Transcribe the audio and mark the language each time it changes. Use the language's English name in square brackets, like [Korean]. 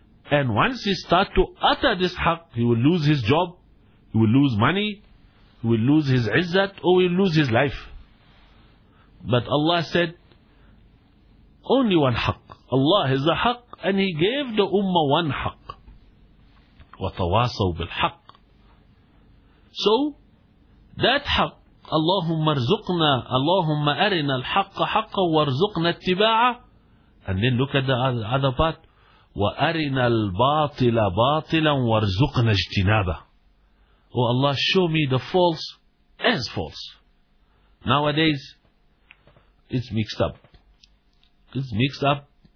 [English] And once he start to utter this haqq, he will lose his job, he will lose money, he will lose his izzat, or he will lose his life. But Allah said, only one haqq. Allah is the haqq, and he gave the ummah one haqq. [Arabic] وَتَوَاسَوْ بِالْحَقِّ. [English] So, that haqq, [Arabic] اللهم ارزقنا اللهم أرنا الحق حقا وارزقنا اتباعه. [English] And then look at the other part. [Arabic] وأرنا الباطل باطلا وارزقنا اجتنابه. [English] Oh Allah, show me the false as false. Nowadays, it's mixed up. It's mixed up.